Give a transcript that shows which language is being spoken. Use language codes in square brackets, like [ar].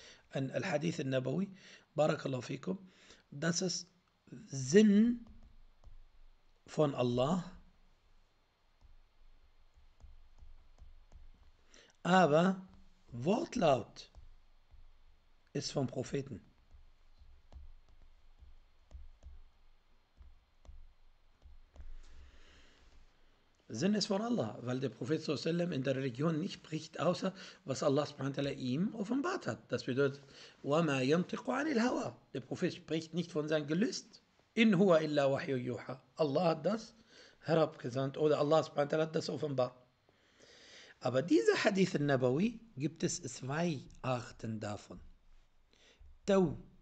[de] An Al-Hadith al-Nabawi, barakallahu fikum, das ist Sinn von Allah, aber Wortlaut ist vom Propheten. Sinn ist von Allah, weil der Prophet sallallahu alaihi wasallam in der Religion nicht spricht, außer was Allah subhanahu wa ta'ala ihm offenbart hat. Das bedeutet, [ar] وَمَا يَمْتِقُ عَنِ الْهَوَى. [de] Der Prophet spricht nicht von seinem Gelüst. [ar] إِنْ هُوَ إِلَّا وَحْيُّ يُوحَى. [de] Allah hat das herabgesandt, oder Allah subhanahu wa ta'ala hat das offenbart. Aber diese Hadith al-Nabawi, gibt es zwei Arten davon. Tawqifi.